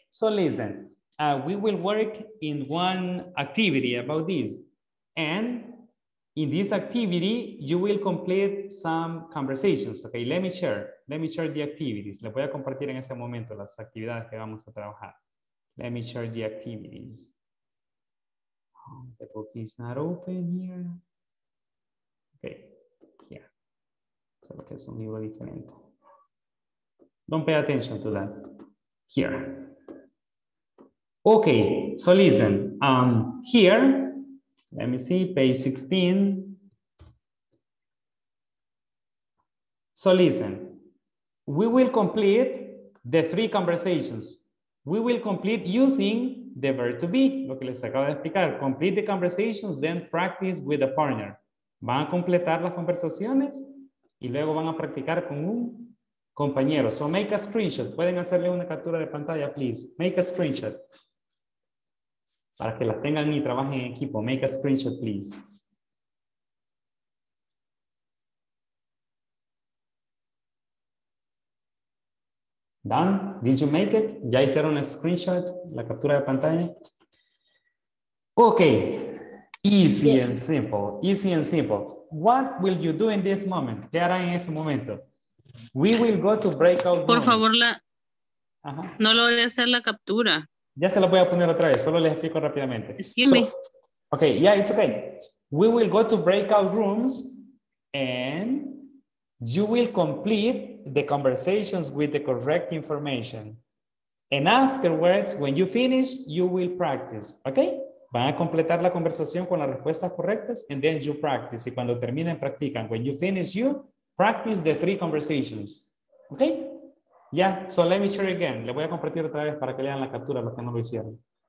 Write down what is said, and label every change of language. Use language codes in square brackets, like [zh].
[en] So listen, we will work in one activity about this. And in this activity, you will complete some conversations, okay? Let me share the activities. [es] Les voy a compartir en ese momento las actividades que vamos a trabajar. [en] Let me share the activities. The book is not open here. Okay. [es] Que es un libro diferente. [en] Don't pay attention to that. Here. Okay, so listen. Here, let me see, page 16. So listen. We will complete the three conversations. We will complete using the verb to be, [es] lo que les acabo de explicar. [en] Complete the conversations, then practice with a partner. [es] Van a completar las conversaciones y luego van a practicar con un compañero. [en] So make a screenshot. [es] Pueden hacerle una captura de pantalla, [en] please. Make a screenshot. [es] Para que las tengan y trabajen en equipo. [en] Make a screenshot, please. Done? Did you make it? [es] ¿Ya hicieron un screenshot, la captura de pantalla? [en] Okay. Easy yes. And simple. Easy and simple. What will you do in this moment? [es] ¿Qué harán en ese momento? [en] We will go to breakout [es] room. Por favor, la... Ajá. No lo voy a hacer la captura. Ya se la voy a poner otra vez. Solo les explico rápidamente. [en] Excuse me. Okay, yeah, it's okay. We will go to breakout rooms and you will complete the conversations with the correct information. And afterwards, when you finish, you will practice. Okay? [es] Van a completar la conversación con las respuestas correctas [en] and then you practice. [es] Y cuando terminen, practican. [en] When you finish, you practice the three conversations. Okay? Yeah, so let me share again. [es] Le voy a compartir otra vez para que lean la captura los que no lo hicieron.